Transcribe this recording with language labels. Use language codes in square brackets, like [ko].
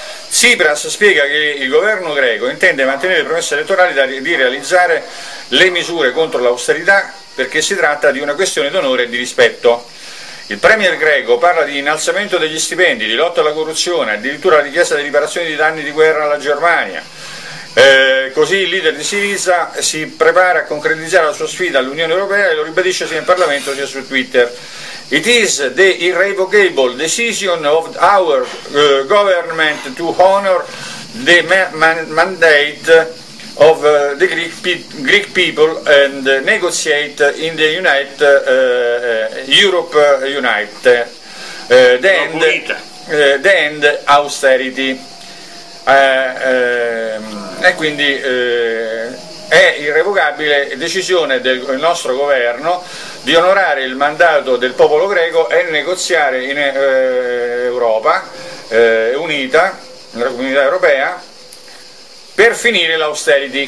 [it] Tsipras spiega che il governo greco intende mantenere le promesse elettorali di realizzare le misure contro l'austerità, perché si tratta di una questione d'onore e di rispetto. Il premier greco parla di innalzamento degli stipendi, di lotta alla corruzione, addirittura la richiesta di riparazione di danni di guerra alla Germania. Così il leader di Syriza si prepara a concretizzare la sua sfida all'Unione Europea e lo ribadisce sia in Parlamento sia su Twitter. [en] It is the irrevocable decision of our government to honor the mandate of the Greek people and negotiate in the United Europe United. The end austerity. [it] E quindi è irrevocabile decisione del nostro governo di onorare il mandato del popolo greco e negoziare in Europa unita, nella comunità europea, per finire l'austerity.